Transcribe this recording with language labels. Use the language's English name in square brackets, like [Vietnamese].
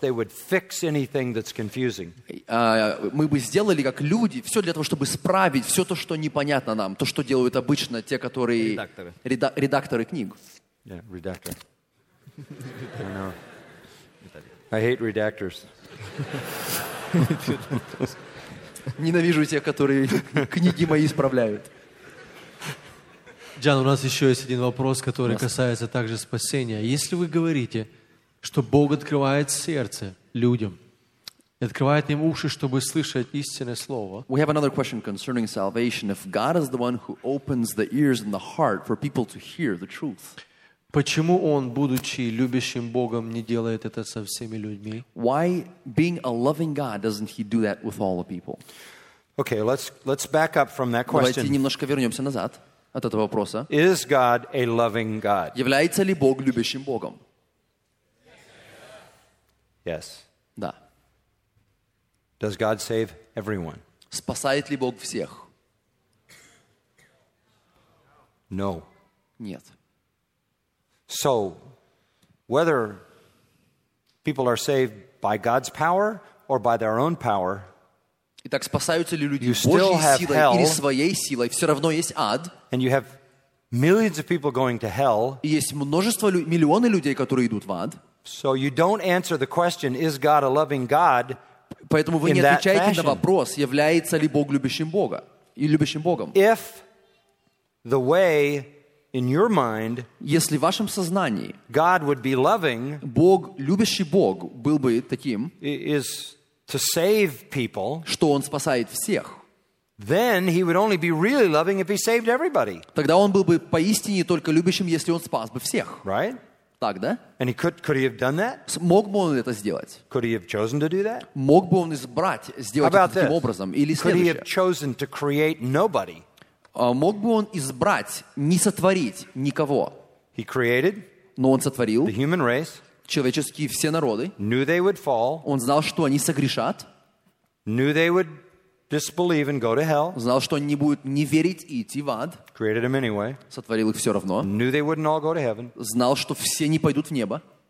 [English] They would fix anything that's confusing. [Russian] Мы бы сделали как люди, все для того, чтобы исправить все то, что непонятно нам, то, что делают обычно те, которые редакторы книг. [English] Yeah, redactor. I know. I hate redactors. [Russian] Ненавижу тех, которые книги мои исправляют. Джан, у нас еще есть один вопрос, который касается также спасения. Если вы говорите, что Бог открывает сердце людям, открывает им уши, чтобы слышать истинное слово. [English] We have another question concerning salvation. If God is the one who opens the ears and the heart for people to hear the truth. [Russian] Почему Он, будучи любящим Богом, не делает это со всеми людьми? [English] Why, being a loving God, doesn't He do that with all the people? Okay, let's back up from that question. [Russian] Давайте немножко вернемся назад. От этого вопроса. [English] Is God a loving God? [Russian] Является ли Бог любящим Богом? [English] Yes. [Russian] Да. [English] Does God save everyone? [Russian] Спасает ли Бог всех? [English] No. [Russian] Нет. [English] So, whether people are saved by God's power or by their own power, [Russian] Итак, спасаются ли люди Божьей силой или своей силой? Все равно есть ад. [English] And you have millions of people going to hell. [Russian] И есть множество, миллионы людей, которые идут в ад. [English] So you don't answer the question, is God a loving God? [Russian] Поэтому вы не отвечаете на вопрос, является ли Бог любящим Бога и любящим Богом. [English] If the way in your mind, [Russian] если в вашем сознании, [English] God would be loving, [Russian] Бог любящий Бог был бы таким, [English] is to save people, [Russian] что он спасает всех, [English] then he would only be really loving if he saved everybody. [Russian] Тогда он был бы поистине только любящим, если он спас бы всех. [English] Right? [Russian] Так, да? [English] And could he have done that? [Russian] Мог бы он это сделать? [English] Could he have chosen to do that? [Russian] Мог бы он избрать сделать это таким образом или следующее? [English] Could he have chosen to create nobody? [Russian] Мог бы он избрать не сотворить никого? [English] He created. [Russian] Но он сотворил. [English] The human race. [Russian] Человеческие все народы. [English] Knew they would fall. [Russian] Он знал, что они согрешат. [English] Knew they would disbelieve and go to hell. [Russian] Знал, что они будут не верить и идти в ад. [English] Created them anyway. [Russian] Сотворил их все равно. [English] Knew they wouldn't all go to heaven. [Russian] Знал, что все не пойдут в небо.